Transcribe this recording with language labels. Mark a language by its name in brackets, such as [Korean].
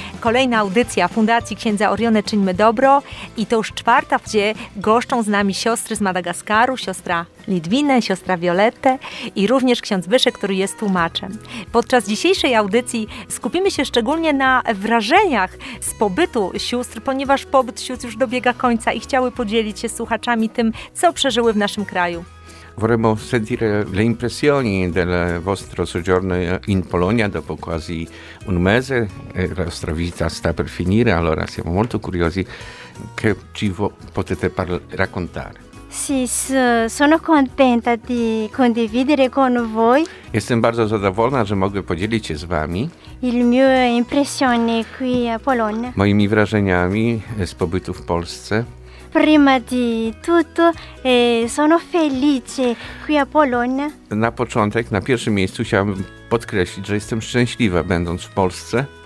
[Polish] Kolejna audycja Fundacji Księdza Orione Czyńmy Dobro i to już czwarta, gdzie goszczą z nami siostry z Madagaskaru, siostra Lidwinę, siostra Violette i również ksiądz Wyszek, który jest tłumaczem. Podczas dzisiejszej audycji skupimy się szczególnie na wrażeniach z pobytu sióstr, ponieważ pobyt sióstr już dobiega końca i chciały podzielić się słuchaczami tym, co przeżyły w naszym kraju. [Italian] Vorremmo sentire le impressioni del vostro soggiorno in Polonia dopo quasi un mese. La vostra visita sta per finire, allora siamo molto curiosi che ci potete raccontare. Sì, sono contenta di condividere con voi. [Polish] Jestem bardzo zadowolona, że mogę podzielić się z wami. [Italian] Il mio impressione qui a Polonia. [Polish] Moimi wrażeniami z pobytu w Polsce. [Italian] Prima di tutto, sono felice qui a Polonia. [Polish] Na początek, na pierwszym miejscu chciałam podkreślić, że jestem szczęśliwa będąc w Polsce.